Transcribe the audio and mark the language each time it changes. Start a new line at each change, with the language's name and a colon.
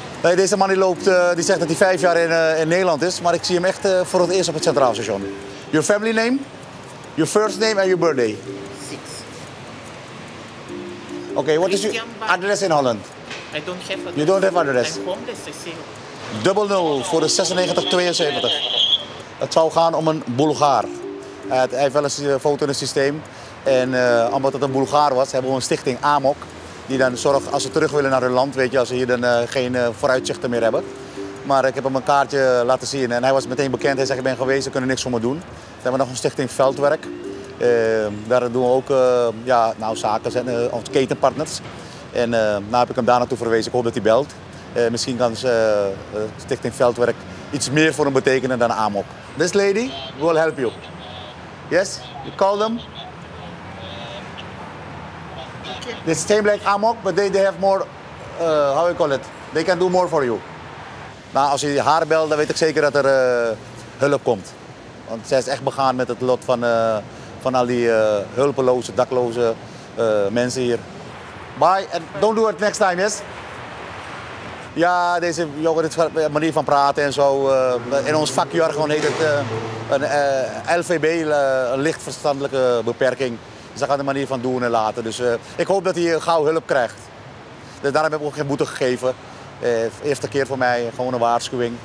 Dutch: Nee, deze man die loopt, die zegt dat hij 5 jaar in Nederland is, maar ik zie hem echt voor het eerst op het Centraal Station.
English: Your family name, your first name and your birthday? 6. Oké, okay, what is your address in Holland? I don't have address. You don't have address? I'm homeless, I see.
Dutch: 00 voor de 9672. Het zou gaan om een Bulgaar. Hij heeft wel eens een foto in het systeem. En omdat het een Bulgaar was, hebben we een stichting AMOK. Die dan zorgt als ze terug willen naar hun land, weet je, als ze hier dan geen vooruitzichten meer hebben. Maar ik heb hem een kaartje laten zien en hij was meteen bekend. Hij zegt, ik ben geweest, ze kunnen niks voor me doen. Dan hebben we nog een stichting Veldwerk. Daar doen we ook zaken, onze ketenpartners. En nou heb ik hem daar naartoe verwezen. Ik hoop dat hij belt. Misschien kan ze stichting Veldwerk iets meer voor hem betekenen dan AMOK.
English: This lady will help you. Yes, you call them. It's the same like AMOK, but they have more, how you call it? They can do more for you.
Dutch: Nou, als je haar belt, dan weet ik zeker dat er hulp komt. Want zij is echt begaan met het lot van al die hulpeloze, dakloze mensen hier.
English: Bye, and don't do it next time, yes?
Dutch: Ja, deze jongen, dit manier van praten en zo. In ons vakjargon heet het een LVB, een lichtverstandelijke beperking. Ze gaan de manier van doen en laten. Dus ik hoop dat hij gauw hulp krijgt. Dus daarom heb ik ook geen boete gegeven. Eerste keer voor mij, gewoon een waarschuwing.